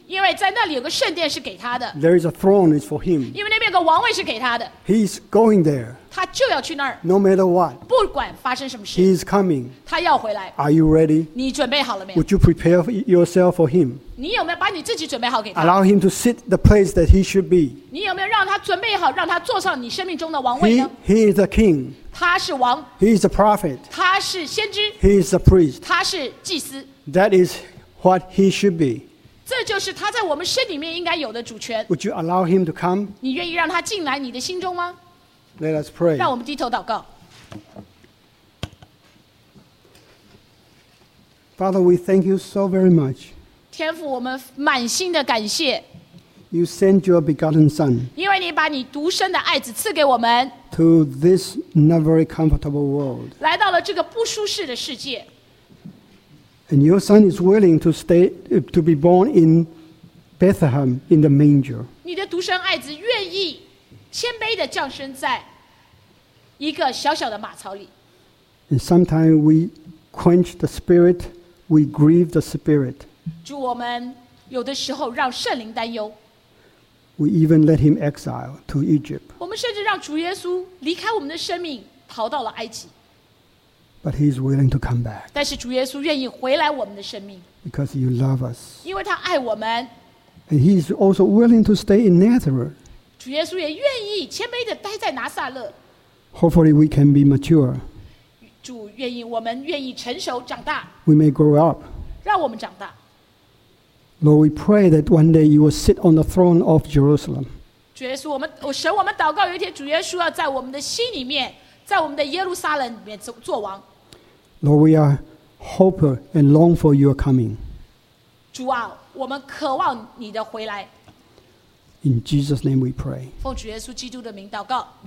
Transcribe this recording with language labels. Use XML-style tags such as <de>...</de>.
<zh>因为在那里有个圣殿是给他的。</zh> <en>There is a throne is for him.</en> <zh>因为那边有个王位是给他的。</zh> <en>He's going there.</en> <zh>他就要去那儿。</zh> <en>No matter what.</en> <zh>不管发生什么事。</zh> <en>He's coming.</en> <zh>他要回来。</zh> <en>Are you ready?</en> <zh>你准备好了没有？</zh> <en>Would you prepare yourself for him?</en> <zh>你有没有把你自己准备好给他？</zh> <en>Allow him to sit the place that he should be.</en> <zh>你有没有让他准备好，让他坐上你生命中的王位呢？</zh> <en>He is a king.</en> <zh>他是王。</zh> <en>He is a prophet.</en> <zh>他是先知。</zh> <en>He is a priest.</en> <zh>他是祭司。</zh> <en>That is what he should be.</en> <zh>这就是他在我们身里面应该有的主权。</zh> <en>Would you allow him to come?</en> <zh>你愿意让他进来你的心中吗？</zh> <en>Let us pray.</en> <zh>让我们低头祷告。</zh> <en>Father, we thank you so very much.</en> <zh>天父，我们满心的感谢。</zh> <en>You sent your begotten son.</en> <zh>因为你把你独生的爱子赐给我们。</zh> <en>To this not very comfortable world.</en> <zh>来到了这个不舒适的世界。</zh> <en>And your son is willing to stay, to be born in Bethlehem in the manger.</en> <zh>你的独生爱子愿意谦卑地降生在一个小小的马槽里。</zh> <en>And sometimes we quench the spirit, we grieve the spirit.</en> <zh>主，我们有的时候让圣灵担忧。</zh> <en>We even let him exile to Egypt.</en> <zh>我们甚至让主耶稣离开我们的生命，逃到了埃及。</zh> <en>But he is willing to come back.</en> <zh>但是主耶稣愿意回来我们的生命。</zh> <en>Because you love us.</en> <zh>因为他爱我们。</zh> <en>And he is also willing to stay in Nazareth.</en> <zh>主耶稣也愿意谦卑地待在拿撒勒。</zh> <en>Hopefully we can be mature.</en> <zh>主愿意，我们愿意成熟长大。</zh> <en>We may grow up.</en> <zh>让我们长大。</zh> <en>Lord, we pray that one day you will sit on the throne of Jerusalem.</en> <zh>主耶稣，我们神，我们祷告有一天主耶稣要在我们的心里面，在我们的耶路撒冷里面做王。</zh> <en>Lord, we are hope and long for your coming.</en> <zh>主啊，我们渴望你的回来。</zh> <en>In Jesus' name we pray.</en> <zh>奉主耶稣基督的名祷告。</zh>